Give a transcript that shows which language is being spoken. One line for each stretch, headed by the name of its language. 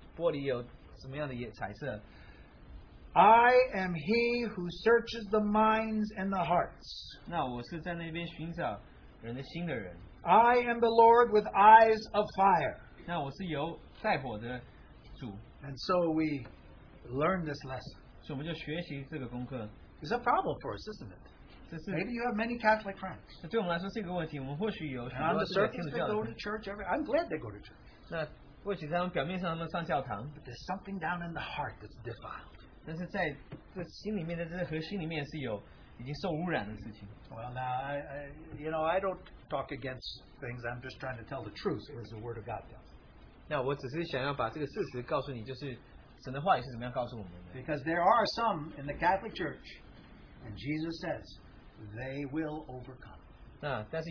Chinese: 那不论说你这教堂有多漂亮，你这个玻璃有什么样的彩色。
English: I am He who searches the minds and the hearts.
Chinese: 那我是在那边寻找人的心的人。
English: I am the Lord with eyes of fire.
Chinese: 那我是有带火的主。
English: And so we learn this lesson.
Chinese: 所以我们就学习这个功课。
English: It's a problem for us, isn't it? Maybe you have many Catholic friends.
Chinese: 那对我们来说是一个问题,
English: and on the surface they go to church every, I'm glad they go to church.
Chinese: 那或许他们表面上他们上教堂,
English: but there's something down in the heart that's defiled.
Chinese: 但是在这心里面的这核心里面是有已经受污染的事情。
English: Well now, I don't talk against things. I'm just trying to tell the truth as the word of God does.
Chinese: 那我只是想要把这个事实告诉你, 就是神的话语是怎么样告诉我们的。
English: Because there are some in the Catholic Church, and Jesus says, they will overcome.